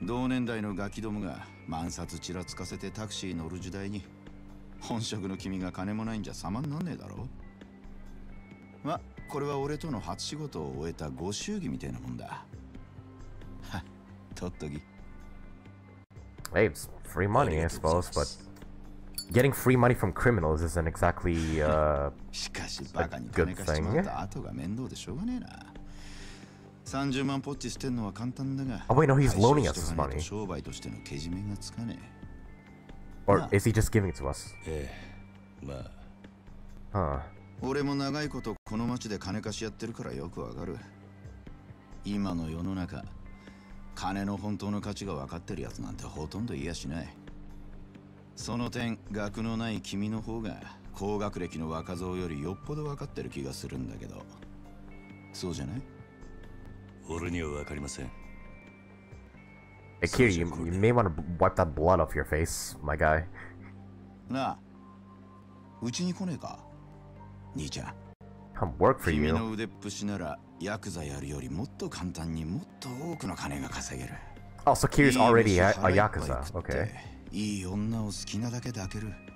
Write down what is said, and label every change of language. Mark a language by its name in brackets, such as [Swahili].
[Japanese] 同年代のガキどもが万札ちらつかせてタクシー乗る時代に本職の君が金もないんじゃ様になんねえだろ。まあこれは俺との初仕事を終えたご祝儀みたいなもんだ。とっとぎ。 [English] Hey, it's free money, I suppose, but getting free money from criminals isn't exactly, [Japanese] しかしバカに金貸してもらった後が面倒でしょうがねえな。 30万ポッチ捨てんのは簡単だが。 [English] Oh, wait, no, he's loaning us his money. [Japanese] 商売としてのけじめがつかねえ。 [English] Or is he just giving it to us? [Japanese] ええ、まあ。 Huh. 俺も長いことこの町で金貸しやってるからよくわかる。今の世の中、金の本当の価値がわかってるやつなんてほとんどいやしない。その点、学のない君の方が高学歴の若造よりよっぽど分かってる気がするんだけど。そうじゃない？俺には分かりません。 [English] Hey, Kiryu, you may want to wipe that blood off your face, my guy. [Japanese] なあ、うちに来ねえか、兄ちゃん。 [English] I'm work for you. [Japanese] 君の腕っぷしなら、ヤクザやるよりもっと簡単にもっと多くの金が稼げる。 [English] Oh, so Kiryu's already a Yakuza. Okay. [Japanese] いい女を好きなだけ抱ける。